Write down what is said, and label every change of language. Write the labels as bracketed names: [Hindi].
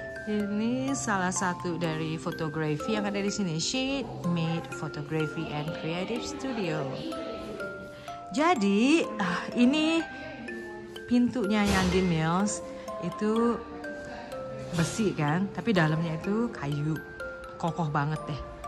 [Indonesian] Ini salah satu dari fotografi yang ada di sini. [English] She made photography and creative studio. [Indonesian] Jadi ini pintunya yang di mills itu besi kan, tapi dalamnya itu kayu, kokoh banget deh.